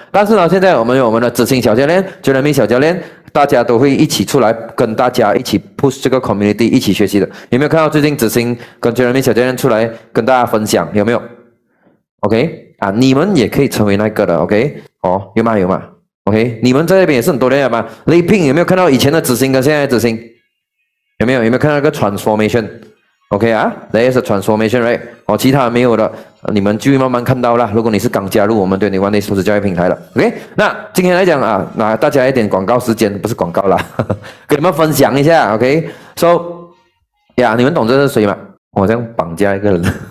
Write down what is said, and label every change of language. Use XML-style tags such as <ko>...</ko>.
<zh>但是呢，现在我们有我们的执行小教练、Jeremy 小教练，大家都会一起出来跟大家一起 push 这个 community 一起学习的。有没有看到最近执行跟 Jeremy 小教练出来跟大家分享？有没有？ OK 啊，你们也可以成为那个的。OK，哦，有吗？有吗？OK，你们在那边也是很多人吗？Leaping 有没有看到以前的紫星跟现在的紫星？有没有看到一个 transformation？OK 啊，</zh> <en>there is a transformation，right？</en> <zh>哦，其他没有的，你们就慢慢看到啦。如果你是刚加入我们21 Days 投资教育平台的，OK，那今天来讲啊，那大家一点广告时间，不是广告啦，给你们分享一下，OK？So，呀，你们懂这是谁吗？我这样绑架一个人。</zh>